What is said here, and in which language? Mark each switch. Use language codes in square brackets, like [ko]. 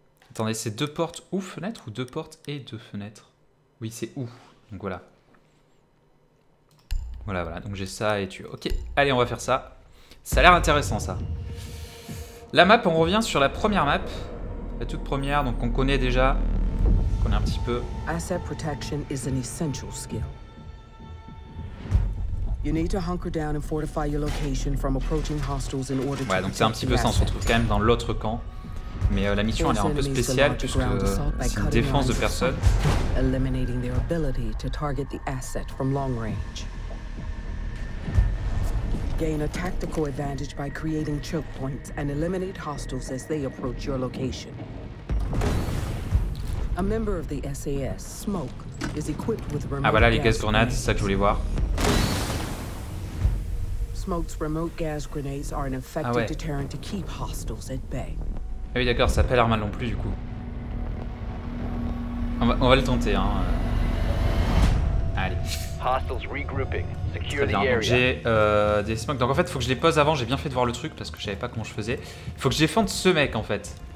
[fr] Attendez, c'est deux portes ou fenêtres, ou deux portes et deux fenêtres? Oui, c'est ou. Donc voilà. Voilà, donc j'ai ça et tu. Ok, allez, on va faire ça. Ça a l'air intéressant, ça. La map, on revient sur la première map. La toute première, donc qu'on connaît déjà. On connaît un petit peu. [en] Asset protection is an essential skill. You need to hunker down and fortify your location from approaching hostiles in order to. [fr] Ouais, donc c'est un petit peu ça, on se retrouve quand même dans l'autre camp. Mais la mission, elle est un peu spéciale, puisque c'est une défense de personnes. [en] Eliminating their ability to target the asset from long range. Gain a tactical advantage by creating choke points and eliminate hostiles as they approach your location. A member of the SAS, Smoke, is equipped with remote [fr] gas. Ah, voilà les gaz grenades, c'est ça que je voulais voir. [en] Smoke's remote gas grenades are an effective [fr] ah ouais. [en] deterrent to keep hostiles at bay. [fr] Ah oui, d'accord, ça pèle mal non plus du coup. On va le tenter, hein. Allez. [en] Hostiles regrouping. [fr] Très bien, donc j'ai des smokes. Donc en fait, faut que je les pose avant. J'ai bien fait de voir le truc parce que je savais pas comment je faisais. Il faut que je défende ce mec en fait.